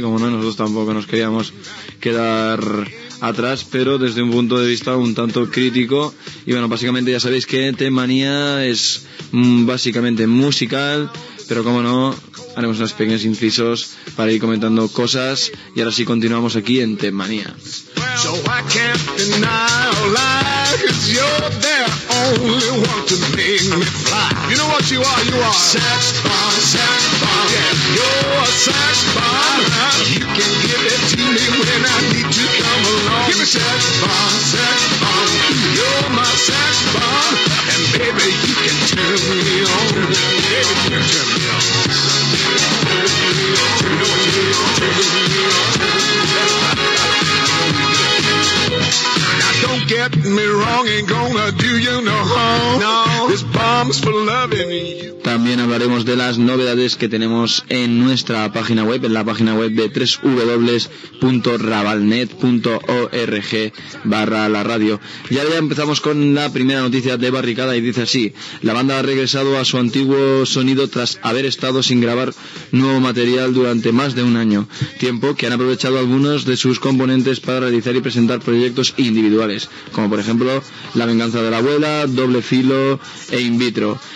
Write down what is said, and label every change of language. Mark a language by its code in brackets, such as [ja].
[es] Como no, nosotros tampoco nos queríamos quedar atrás, pero desde un punto de vista un tanto crítico. Y bueno, básicamente ya sabéis que Temanía es básicamente musical, pero como no, haremos unos pequeños incisos para ir comentando cosas. Y ahora sí, continuamos aquí en Temanía. [en] So I can't deny a lie, 'cause you're the only one to make me fly. You know what you are, sex bomb, sex bomb. Yeah, you're a sex bomb. You can give it to me when I need to come along. Give me sex bomb, sex bomb. You're my sex bomb, and baby you can turn me on. Baby, you can turn me on. Turn me on, turn me on, turn me on. Don't get me wrong, ain't gonna do you no harm. No, this bomb's for loving you. [es] También hablaremos de las novedades que tenemos en nuestra página web, en la página web de www.rabalnet.org/la radio. Y ahora ya empezamos con la primera noticia de Barricada y dice así: la banda ha regresado a su antiguo sonido tras haber estado sin grabar nuevo material durante más de un año, tiempo que han aprovechado algunos de sus componentes para realizar y presentar proyectos individuales, como por ejemplo La Venganza de la Abuela, Doble Filo e In Vitro.